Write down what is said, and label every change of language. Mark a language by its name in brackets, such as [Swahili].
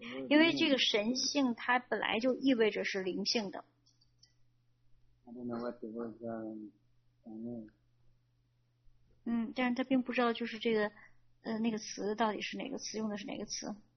[Chinese] 因为这个神性它本来就意味着是灵性的。 [English] I don't know what the words are in Chinese. [Chinese] 但是他并不知道就是这个那个词到底是哪个词，用的是哪个词。